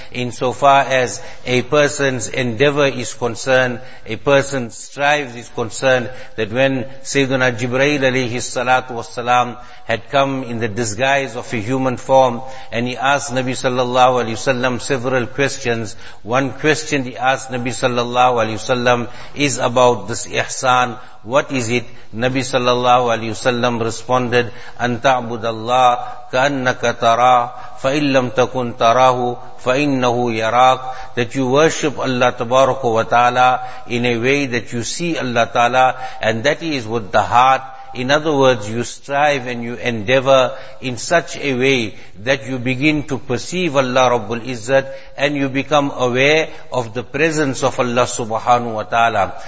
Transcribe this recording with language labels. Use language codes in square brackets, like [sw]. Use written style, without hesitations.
[en] Insofar as a person's endeavor is concerned, a person's strives is concerned, that when Sayyidina Jibreel alayhi salatu wasalam had come in the disguise of a human form and he asked Nabi sallallahu alayhi wasallam several questions. One question he asked Nabi sallallahu alayhi wasallam is about this ihsan. What is it? Nabi sallallahu alayhi wasallam responded, [ar] أن تعبد الله كأنك تراه فإن لم تكن تراه فإنه يراك. [en] That you worship Allah tabaraka wa ta'ala in a way that you see Allah ta'ala, and that is with the heart. In other words, you strive and you endeavor in such a way that you begin to perceive Allah Rabbul Izzat and you become aware of the presence of Allah subhanahu wa ta'ala.